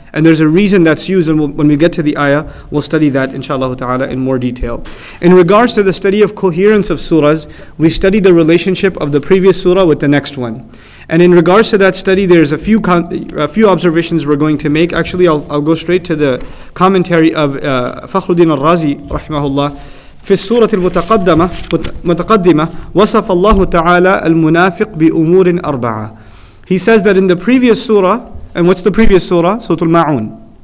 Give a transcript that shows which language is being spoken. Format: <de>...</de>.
<en>And there's a reason that's used, and when we get to the ayah, we'll study that, inshallah ta'ala, in more detail. In regards to the study of coherence of surahs, we study the relationship of the previous surah with the next one. And in regards to that study, there's a few observations we're going to make. Actually, I'll go straight to the commentary of Fakhruddin al-Razi, rahimahullah.</en> <ar>في السورة المتقدمة وصف الله تعالى المنافق بأمور أربعة.</ar> <en>He says that in the previous surah, and what's the previous surah? Surah Al-Ma'un.</en>